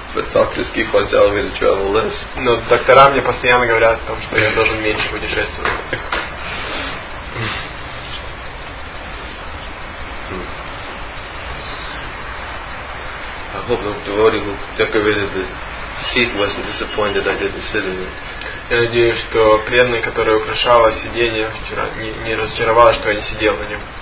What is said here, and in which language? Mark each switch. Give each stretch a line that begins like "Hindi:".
English: But doctors keep on telling me to travel less.
Russian: Но доктора мне постоянно говорят о том, что я должен меньше путешествовать.
English: I hope the devotee who decorated the seat wasn't disappointed I didn't sit in it.
Russian: Я надеюсь, что преданный, который украшал сиденье вчера, не разочаровался, что я не сидел на нем.